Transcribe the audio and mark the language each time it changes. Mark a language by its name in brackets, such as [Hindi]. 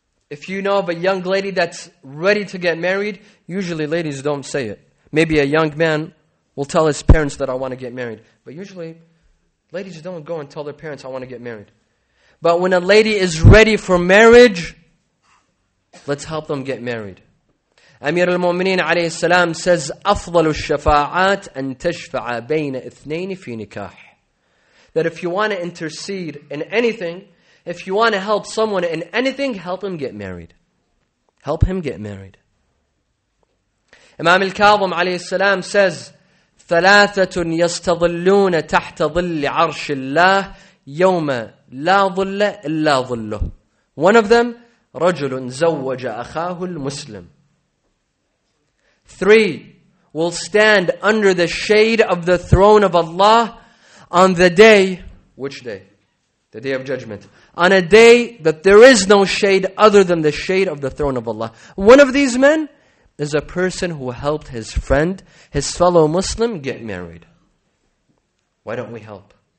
[English] If you know of a young lady that's ready to get married, usually ladies don't say it. Maybe a young man will tell his parents that I want to get married. But usually, ladies don't go and tell their parents I want to get married. But when a lady is ready for marriage, let's help them get married. Amir al-Mu'mineen alayhi salam says, [Arabic] أَفْضَلُ الشَّفَاعَاتِ أَن تَشْفَعَ بَيْنَ اثْنَيْنِ فِي نِكَاحِ. [English] That if you want to intercede in anything, if you want to help someone in anything, help him get married. Help him get married. Imam al-Kadhim alayhi salam says, [Arabic] ثَلَاثَةٌ يَسْتَظِلُّونَ تَحْتَ ظِلِّ عَرْشِ اللَّهِ يَوْمَ لَا ظُلَّ إِلَّا ظُلُّهُ. [English] One of them, [Arabic] رَجُلٌ زَوَّجَ أَخَاهُ الْمُسْلِمُ. [English] Three will stand under the shade of the throne of Allah on the day, which day? The day of judgment. On a day that there is no shade other than the shade of the throne of Allah. One of these men is a person who helped his friend, his fellow Muslim, get married. Why don't we help?